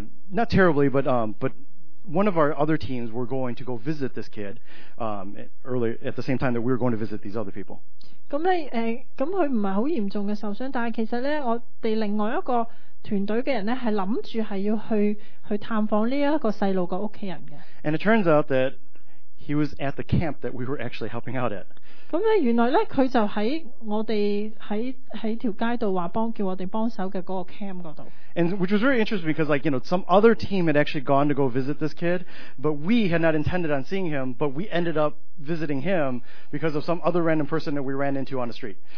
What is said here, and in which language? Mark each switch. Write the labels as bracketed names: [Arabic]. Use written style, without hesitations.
[English] not terribly, but one of our other teams were going to go visit this kid at the same time that we were going to visit these other people. [Cantonese] 咁呢，咁佢唔係好嚴重嘅受傷，但係其實呢，我哋另外一個團隊嘅人呢，係諗住係要去探訪呢一個細路嘅屋企人嘅。 [English] And it turns out that he was at the camp that we were actually helping out at. [Cantonese] 咁咧，原來咧佢就喺我哋喺條街度話幫叫我哋幫手嘅嗰個 camp 嗰度。 [English] And which was very interesting because, like, you know, some other team had actually gone to go visit this kid, but we had not intended on seeing him, but we ended up visiting him because of some other random person that we ran into on the street.